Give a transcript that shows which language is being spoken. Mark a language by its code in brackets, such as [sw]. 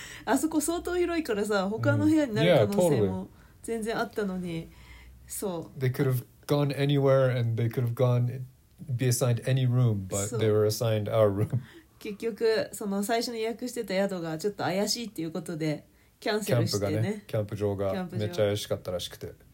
[ja] あそこ相当広いからさ、他の部屋になる可能性も全然あったのに、そう。 [en] They could have gone anywhere and they could have gone be assigned any room, but they were assigned our room. [ja] 結局その最初に予約してた宿がちょっと怪しいっていうことでキャンセルしてね。キャンプがね、キャンプ場がめっちゃ怪しかったらしくて。